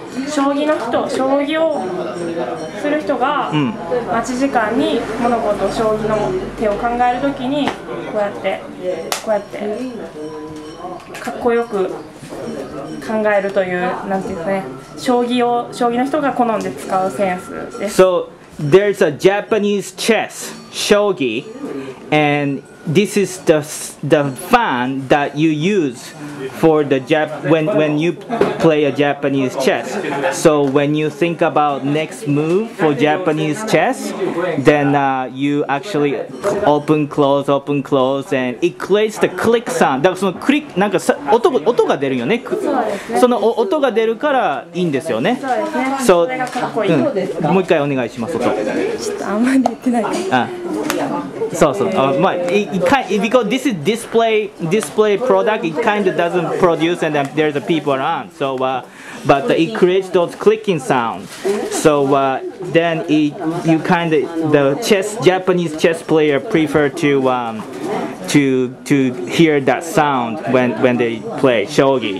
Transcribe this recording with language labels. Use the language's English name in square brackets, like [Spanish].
[Japanese] 将棋の人、将棋をする人が待ち時間に物事、将棋の手を考えるときにこうやってかっこよく考えるという、なんていうんですかね、将棋の人が好んで使うセンスです。 [English] So, there's a Japanese chess, 将棋 andThis is the fan that you use for the when you play a Japanese chess. So when you think about next move for Japanese chess, then you actually open close and it creates the click sound. [Japanese] だからそのクリック、なんか音が出るよね。その音が出るからいいんですよね。そう、もう一回お願いします。ちょっとあんまり言ってない。 [English] So, so, because this is display product, it kind of doesn't produce and then there's people around. So, but it creates those clicking sounds. So, then you kind of, the Japanese chess player prefer to hear that sound when they play shogi.